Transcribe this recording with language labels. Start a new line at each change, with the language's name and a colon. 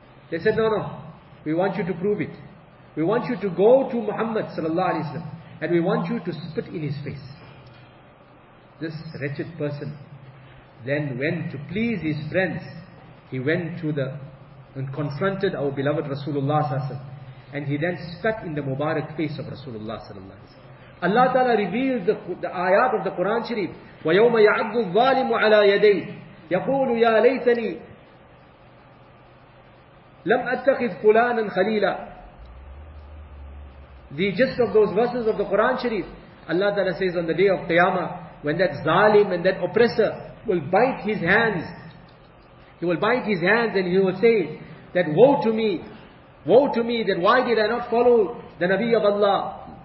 English: They said, no, we want you to prove it. We want you to go to Muhammad sallallahu alaihi wasallam, and we want you to spit in his face. This wretched person then went to please his friends. He went to the and confronted our beloved Rasulullah sallallahu alaihi wasallam, and he then spat in the Mubarak face of Rasulullah sallallahu alaihi wasallam. Allah Ta'ala reveals the ayat of the Quran Sharif,
Arabic: وَيَوْمَ يَعَضُّ الظَّالِمُ عَلَىٰ يَدَيْهِ يَقُولُ يَا لَيْتَنِي لَمْ أَتَّخِذْ فُلَانًا خَلِيلًا.
English: The gist of those verses of the Quran Sharif, Allah Ta'ala says on the day of Qiyamah, when that zalim and that oppressor will bite his hands, he will bite his hands and he will say that, woe to me, that why did I not follow the Nabi of Allah?